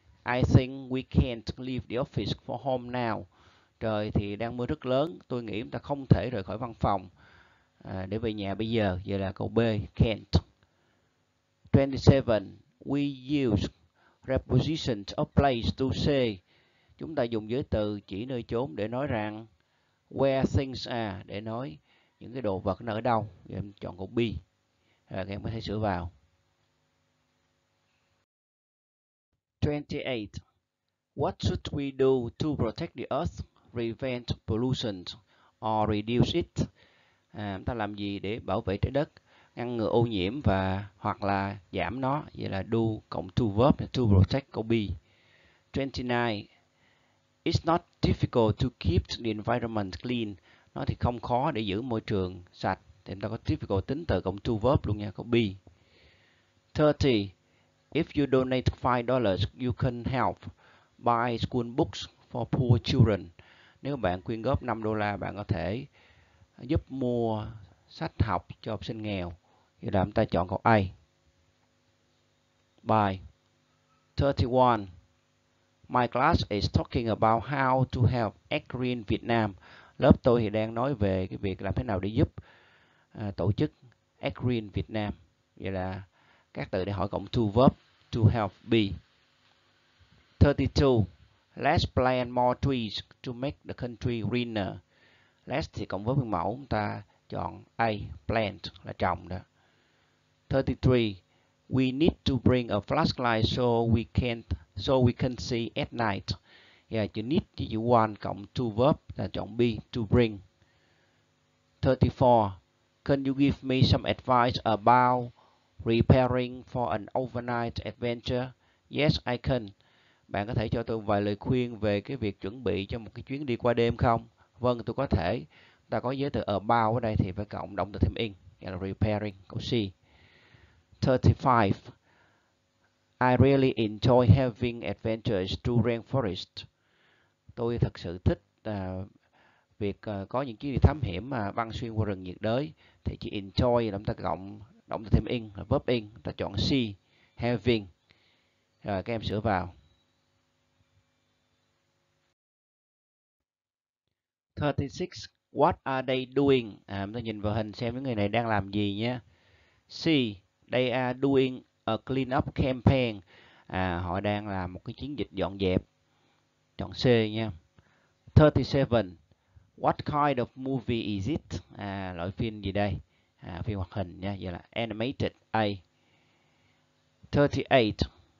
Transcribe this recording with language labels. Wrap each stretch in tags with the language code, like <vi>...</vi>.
<en>I think we can't leave the office for home now.</en> <vi>Trời thì đang mưa rất lớn. Tôi nghĩ chúng ta không thể rời khỏi văn phòng để về nhà bây giờ. Giờ là câu B. Can't. 27.</vi> <en>We use prepositions of place to say.</en> <vi>Chúng ta dùng giới từ chỉ nơi chốn để nói rằng</vi> <en>where things are,</en> <vi>để nói những cái đồ vật nó ở đâu. Giờ em chọn câu B. Các em có thể sửa vào.</vi> <en>28. What should we do to protect the earth, prevent pollution, or reduce it?</en> <vi>Chúng ta làm gì để bảo vệ trái đất, ngăn ngừa ô nhiễm và hoặc là giảm nó? Vậy là do cộng to verb, to protect, câu B.</vi> <en>29. It's not difficult to keep the environment clean.</en> <vi>Nó thì không khó để giữ môi trường sạch. Thì chúng ta có difficult tính từ cộng to verb luôn nha, câu B.</vi> <en>30. If you donate $5, you can help buy school books for poor children.</en> <vi>Nếu bạn quyên góp $5, bạn có thể giúp mua sách học cho học sinh nghèo. Vậy là chúng ta chọn câu A.</vi> <en>Bye. 31. My class is talking about how to help Act Green Vietnam.</en> <vi>Lớp tôi thì đang nói về cái việc làm thế nào để giúp tổ chức Act Green Vietnam. Vậy là các từ để hỏi cộng to verb, to help be.</vi> <en>32. Let's plant more trees to make the country greener.</en> <vi>Let's thì cộng với nguyên mẫu, chúng ta chọn A, plant là trồng đó.</vi> <en>33. We need to bring a flashlight so we can see at night. Yeah, you need, you want</en> <vi>cộng</vi> <en>to verb</en> <vi>là chọn</vi> <en>be, to bring. 34. Can you give me some advice about preparing for an overnight adventure? Yes, I can.</en> <vi>Bạn có thể cho tôi vài lời khuyên về cái việc chuẩn bị cho một cái chuyến đi qua đêm không? Vâng, tôi có thể. Ta có giới từ about ở đây thì phải cộng động từ thêm in. Nghĩa là preparing, câu C. 35.</vi> <en>I really enjoy having adventures to rainforest.</en> <vi>Tôi thật sự thích việc có những chuyến đi thám hiểm băng xuyên qua rừng nhiệt đới. Thì chỉ enjoy là chúng ta cộng động từ thêm in, là verb in, ta chọn see, having. Rồi các em sửa vào.</vi> <en>Thirty-six. What are they doing?</en> <vi>À, chúng ta nhìn vào hình xem những người này đang làm gì nhé.</vi> <en>See, they are doing a clean-up campaign.</en> <vi>À, họ đang làm một cái chiến dịch dọn dẹp. Chọn C nha. 37.</vi> <en>What kind of movie is it?</en> <vi>À, loại phim gì đây? À, phim hoạt hình nha. Vậy là animated A. 38.</vi>